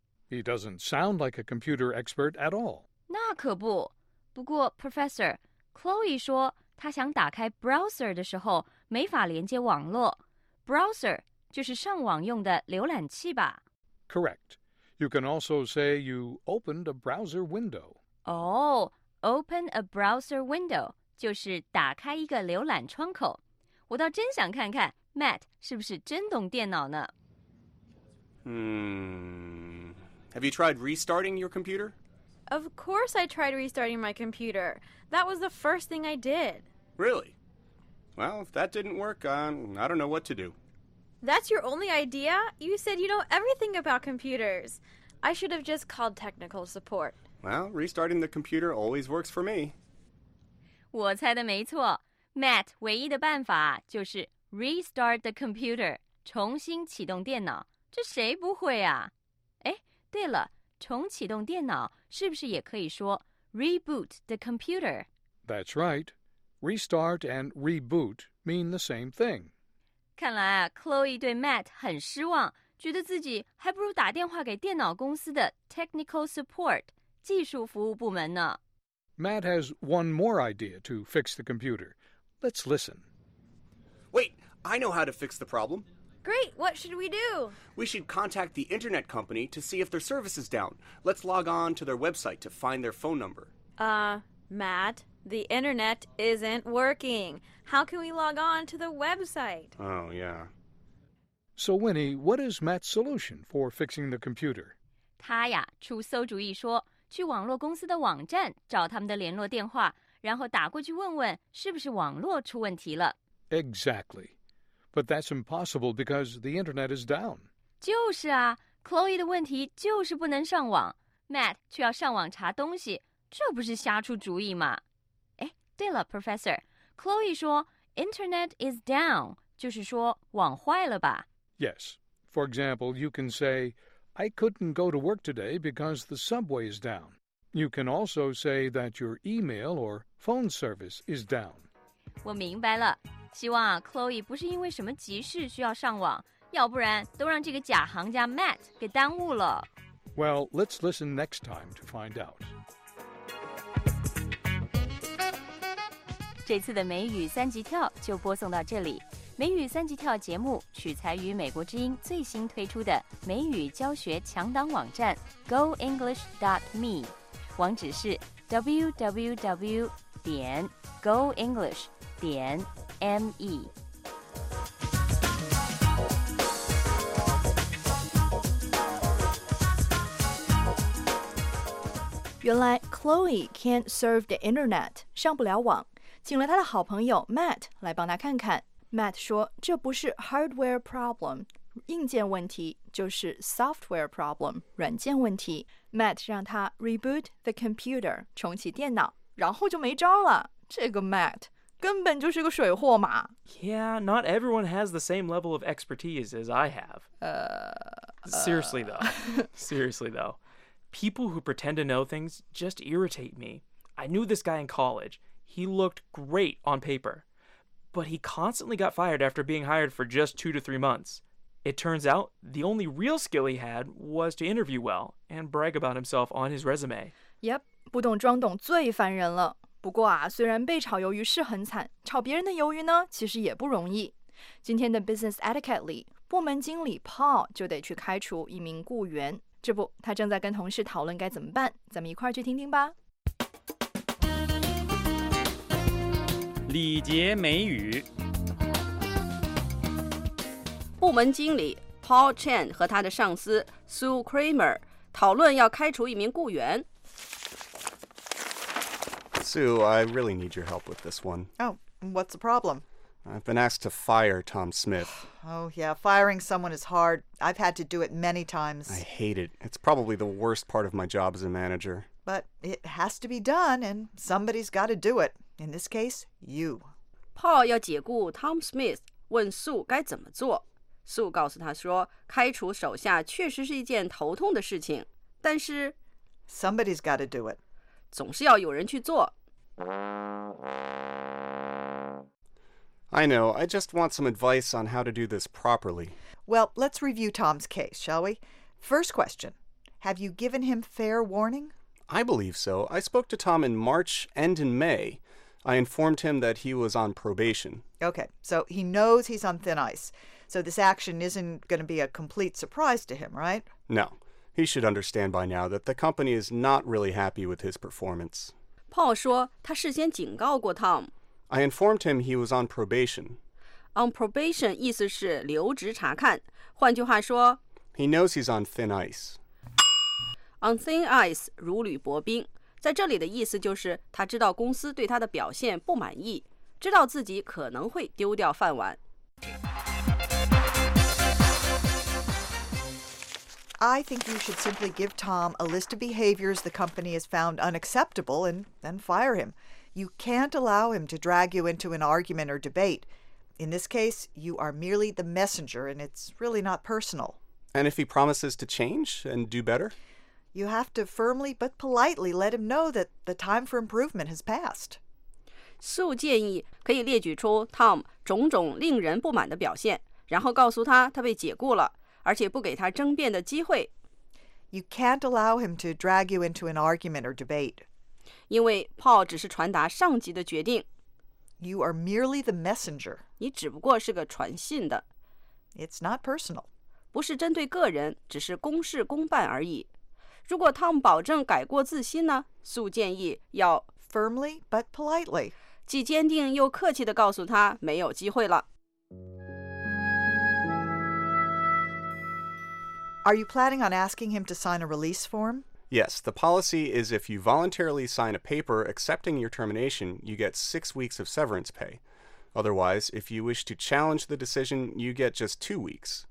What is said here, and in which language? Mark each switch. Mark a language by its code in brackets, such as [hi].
[en] He doesn't sound like a computer expert at all. [zh] 那可不。不过 Professor, Chloe 说他想打开 browser 的时候没法连接网络。 Browser 就是上网用的浏览器吧。 [en] Correct. You can also say you opened a browser window. Oh, open a browser window [zh] 就是打开一个浏览窗口。我倒真想看看 Matt 是不是真懂电脑呢。 [en] Have you tried restarting your computer? Of course I tried restarting my computer. That was the first thing I did. Really? Well, if that didn't work, I don't know what to do. That's your only idea? You said you know everything about computers. I should have just called technical support. Well, restarting the computer always works for me. [zh] 我猜的没错。 Matt 唯一的办法就是 [en] restart the computer, [zh] 重新启动电脑。这谁不会啊？哎，对了，重启动电脑是不是也可以说 [en] reboot the computer? That's right. Restart and reboot mean the same thing. [zh] 看来啊 ,Chloe 对 Matt 很失望，觉得自己还不如打电话给电脑公司的 technical support, 技术服务部门呢。 [en] Matt has one more idea to fix the computer. Let's listen. Wait, I know how to fix the problem. Great, what should we do? We should contact the internet company to see if their service is down. Let's log on to their website to find their phone number. Matt, the internet isn't working. How can we log on to the website? Oh, yeah. So, Winnie, what is Matt's solution for fixing the computer? [zh] 他呀，出馊主意说，去网络公司的网站找他们的联络电话，然后打过去问问是不是网络出问题了。 [en] Exactly. But that's impossible because the internet is down. [zh] 就是啊 ,Chloe 的问题就是不能上网。 Matt 却要上网查东西。这不是瞎出主意吗？哎，对了 ，Professor， Chloe 说 [en] Internet is down， [zh] 就是说网坏了吧 [en] ？Yes. For example, you can say I couldn't go to work today because the subway is down. You can also say that your email or phone service is down. [zh] 我明白了。希望 Chloe 不是因为什么急事需要上网，要不然都让这个假行家 Matt 给耽误了。 [en] Well, let's listen next time to find out. [zh] 这次的美语三级跳就播送到这里。美语三级跳节目取材于美国之音最新推出的美语教学强档网站 goenglish.me， 网址是 www.goenglish.me。原来 Chloe [en] can't serve the internet， [zh] 上不了网。请了他的好朋友 Matt 来帮他看看。Matt 说这不是 hardware problem， 硬件问题，就是 software problem， 软件问题。 Matt 让他 [en] reboot the computer， [zh] 重启电脑，然后就没招了。这个 Matt 根本就是个水货嘛。 [en] Yeah, not everyone has the same level of expertise as I have. Seriously though, seriously though, people who pretend to know things just irritate me. I knew this guy in college. He looked great on paper, but he constantly got fired after being hired for just 2 to 3 months. It turns out the only real skill he had was to interview well and brag about himself on his resume. [zh] Yep, 不懂装懂最烦人了。不过啊，虽然被炒鱿鱼是很惨，炒别人的鱿鱼呢，其实也不容易。今天的 Business Etiquette 里，部门经理 Paul 就得去开除一名雇员。这不，他正在跟同事讨论该怎么办，咱们一块儿去听听吧。礼节美语。部门经理 Paul Chen 和他的上司 Sue Kramer 讨论要开除一名雇员。 [en] Sue, I really need your help with this one. Oh, what's the problem? I've been asked to fire Tom Smith. Oh, yeah, firing someone is hard. I've had to do it many times. I hate it. It's probably the worst part of my job as a manager. But it has to be done, and somebody's got to do it. In this case, you. [zh] Paul 要解雇 Tom Smith, 问 Sue 该怎么做。 Sue 告诉他说，开除手下确实是一件头痛的事情，但是 [en] Somebody's got to do it. [zh] 总是要有人去做。 [en] I know, I just want some advice on how to do this properly. Well, let's review Tom's case, shall we? First question, have you given him fair warning? I believe so. I spoke to Tom in March and in May. I informed him that he was on probation. Okay, so he knows he's on thin ice. So this action isn't going to be a complete surprise to him, right? No, he should understand by now that the company is not really happy with his performance. [zh] Paul 说他事先警告过 Tom。 [en] I informed him he was on probation. [zh] On probation 意思是留职察看，换句话说 [en] He knows he's on thin ice. [zh] On thin ice 如履薄冰，在这里的意思就是他知道公司对他的表现不满意，知道自己可能会丢掉饭碗。 [en] I think you should simply give Tom a list of behaviors the company has found unacceptable and then fire him. You can't allow him to drag you into an argument or debate. In this case, you are merely the messenger, and it's really not personal. And if he promises to change and do better? You have to firmly but politely let him know that the time for improvement has passed. [zh] Sue 建议可以列举出 Tom 种种令人不满的表现，然后告诉他他被解雇了，而且不给他争辩的机会。 [en] You can't allow him to drag you into an argument or debate. [zh] 因为 Paul 只是传达上级的决定。 [en] You are merely the messenger. [zh] 你只不过是个传信的。 [en] It's not personal. [zh] 不是针对个人，只是公事公办而已。如果 Tom 保证改过自新呢？ Sue 建议要 [en] firmly but politely. [zh] 既坚定又客气地告诉他没有机会了。 [en] Are you planning on asking him to sign a release form? Yes, the policy is if you voluntarily sign a paper accepting your termination, you get 6 weeks of severance pay. Otherwise, if you wish to challenge the decision, you get just 2 weeks.